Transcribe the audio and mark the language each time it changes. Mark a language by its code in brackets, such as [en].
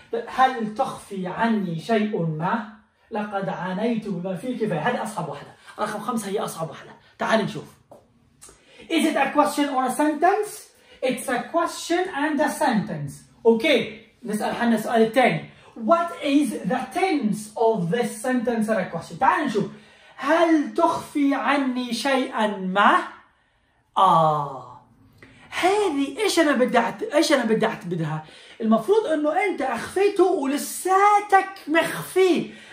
[ar] هل تخفي عني شيء ما؟ لقد عانيت بما فيه الكفاية. هذه أصعب واحدة. رقم 5 هي أصعب واحدة. تعال نشوف. [en] Is it a question or a sentence? It's a question and a sentence. [ar] أوكي نسأل حنا السؤال الثاني. [en] What is the tense of this sentence or a question? [ar] تعال نشوف. هل تخفي عني شيئا ما؟ هذه ايش انا بدعت بدها؟ المفروض انه انت اخفيته ولساتك مخفي.